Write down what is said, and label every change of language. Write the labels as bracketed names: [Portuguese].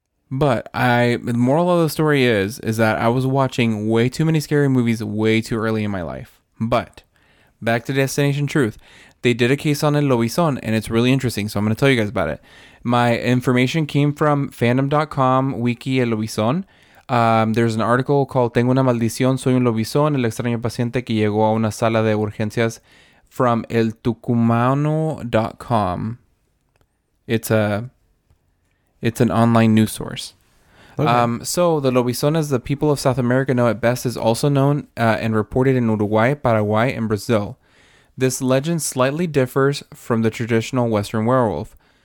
[English] But the moral of the story is that I was watching way too many scary movies way too early in my life. But back to Destination Truth. They did a case on El Lobizón, and it's really interesting, so I'm going to tell you guys about it. My information came from fandom.com, wiki El Lobizón. There's an article called [Spanish] Tengo una maldición, soy un lobizón, el extraño paciente que llegó a una sala de urgencias, [English] from eltucumano.com. It's an online news source. Okay. So the Lobizón, as the people of South America know it best, is also known and reported in Uruguay, Paraguay, and Brazil. This legend slightly differs from the traditional Western werewolf.